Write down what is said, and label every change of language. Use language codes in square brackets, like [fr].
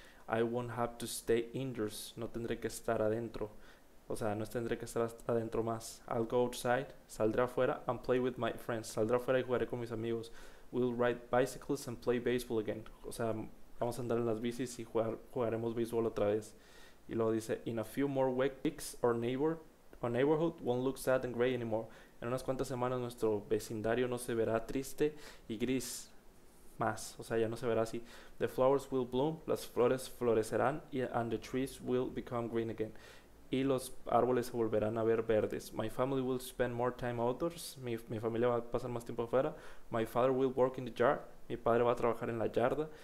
[en] I won't have to stay indoors. [es] No tendré que estar adentro. O sea, no tendré que estar adentro más. [en] I'll go outside. [es] Saldré afuera [en] and play with my friends. [es] Saldré afuera y jugaré con mis amigos. [en] We'll ride bicycles and play baseball again. [es] O sea, vamos a andar en las bicis y jugaremos béisbol otra vez. Y luego dice, [en] in a few more weeks, our neighborhood won't look sad and gray anymore. [es] En unas cuantas semanas nuestro vecindario no se verá triste y gris más. O sea, ya no se verá así. [en] The flowers will bloom, [es] las flores florecerán y [en] and the trees will become green again. [es] Y los árboles se volverán a ver verdes. [en] My family will spend more time outdoors. [es] Mi familia va a pasar más tiempo afuera. [en] My father will work in the yard. [es] Mi padre va a trabajar en la yarda.